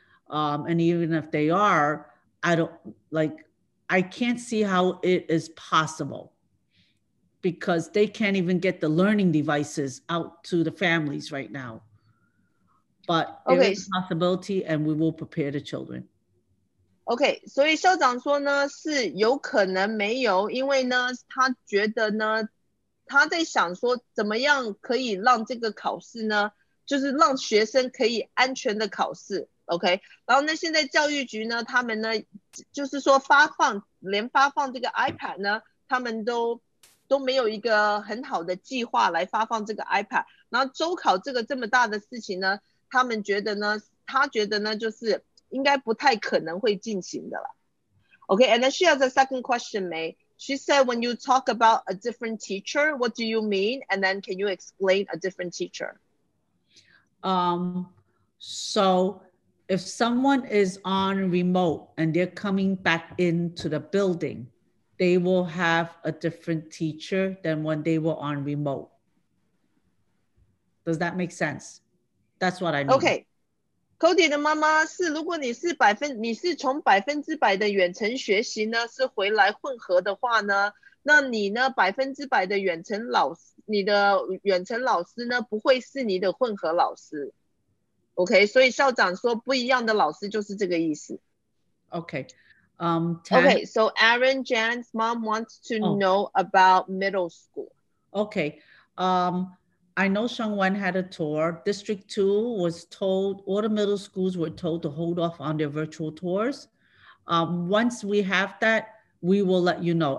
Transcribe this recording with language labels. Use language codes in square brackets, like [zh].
[en] And even if they are, I can't see how it is possible because they can't even get the learning devices out to the families right now. But there is a possibility and we will prepare the children. [zh] OK, 所以校长说呢是有可能没有，因为呢他觉得呢他在想说怎么样可以让这个考试呢就是让学生可以安全的考试。 OK, 然后呢现在教育局呢他们呢就是说发放连发放这个 iPad 呢他们都没有一个很好的计划来发放这个 iPad, 然后周考这个这么大的事情呢他们觉得呢他觉得呢就是应该不太可能会进行的了。 [en] OK, and then she has a second question, May. She said, when you talk about a different teacher, what do you mean? And then can you explain a different teacher? So if someone is on remote and they're coming back into the building, they will have a different teacher than when they were on remote. Does that make sense? That's what I mean. OK. [zh] Cody 的妈妈是，如果你是从百分之百的远程学习呢，是回来混合的话呢，那你呢百分之百的远程老师，你的远程老师呢不会是你的混合老师。 OK, 所以校长说不一样的老师就是这个意思。 OK, [en] OK, so Aaron Jan's mom wants to know about middle school. OK, I know Shengwen had a tour. District 2 was told, all the middle schools were told to hold off on their virtual tours. Once we have that, we will let you know.